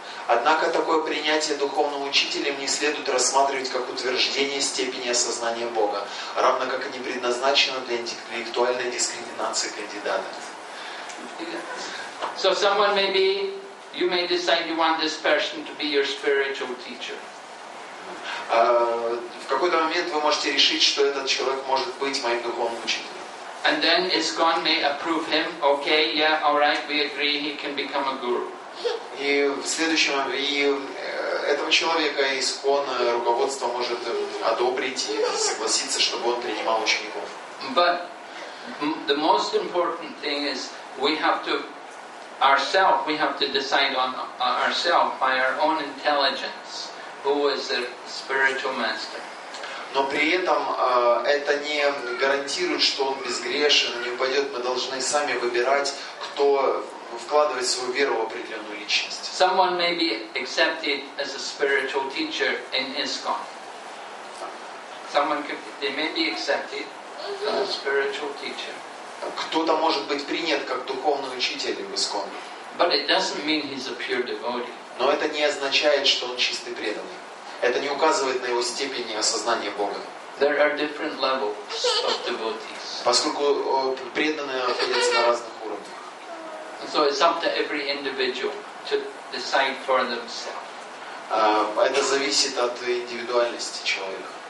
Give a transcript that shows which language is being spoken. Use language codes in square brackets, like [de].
[ru] Однако такое принятие духовным учителем не следует рассматривать как утверждение степени осознания Бога, равно как и не предназначено для интеллектуальной дискриминации кандидата. [en] So someone maybe you may decide you want this person to be your spiritual teacher. [ru] В какой-то момент вы можете решить, что этот человек может быть моим духовным учителем. [en] And then ISKCON may approve him. Okay, yeah, all right, we agree, he can become a guru. [ru] И в следующем и этого человека ИСКОН руководство может одобрить и согласиться, чтобы он принимал учеников. [en] But the most important thing is we have to ourselves, we have to decide on ourselves by our own intelligence who is the spiritual master. [ru] Но при этом это не гарантирует, что он безгрешен, не упадет. Мы должны сами выбирать, кто вкладывать свою веру в определенную личность. [en] Someone may be accepted as a spiritual teacher in ISKCON. They may be accepted as a spiritual teacher. [ru] Кто-то может быть принят как духовный учитель в ISKCON. [en] But it doesn't mean he's a pure devotee. [ru] Но это не означает, что он чистый преданный. Это не указывает на его степень осознания Бога. [en] There are different levels of devotees. [ru] Поскольку преданные находятся на разных. [en] So it's up to every individual to decide for themselves. [ru] Это зависит от индивидуальности человека.